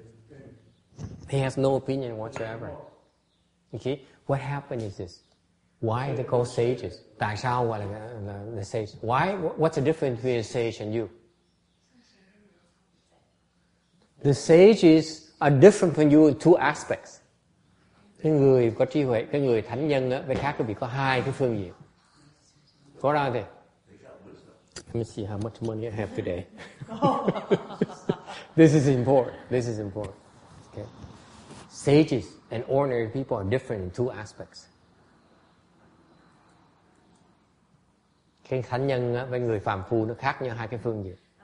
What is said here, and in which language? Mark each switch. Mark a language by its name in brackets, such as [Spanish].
[English] an opinion. He has no opinion whatsoever. Okay, what happened is this: why they call sages? [Vietnamese] Tại sao gọi là [English] the sage? Why? What's the difference between a sage and you? The sages are different from you in two aspects. [Vietnamese] Cái người có trí huệ, cái người thánh nhân á, với khác quý vị có hai cái phương diện. Có ra thế. [English] Let me see how much money I have today. This is important. This is important. Okay. Sages and ordinary people are different in two aspects. [Vietnamese] cái thánh nhân với người phàm phu nó khác nhau hai cái phương diện.